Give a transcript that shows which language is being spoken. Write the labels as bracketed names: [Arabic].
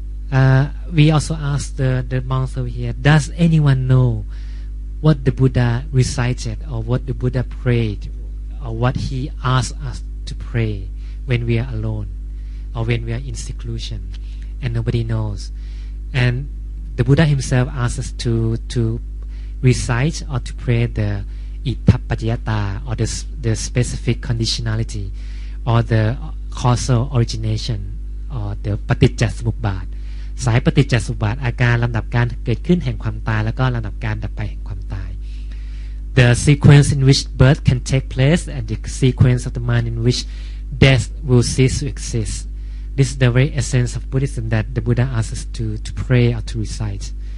[English] We also asked the monks over here, does anyone know what the Buddha recited or what the Buddha prayed or what he asked us to pray when we are alone or when we are in seclusion? And nobody knows. And the Buddha himself asked us to recite or to pray the Ittappajjayata, or the specific conditionality, or the causal origination, or the Patijjasamubbad. [Thai] สายปฏิจจสมุปบาทอาการลำดับการเกิดขึ้นแห่งความตาย [English] แล้วก็ลำดับการดับไปแห่งความตาย The sequence in which birth can take place and the sequence of the mind in which death will cease to exist. This is the very essence of Buddhism that the Buddha asks us to pray or to recite.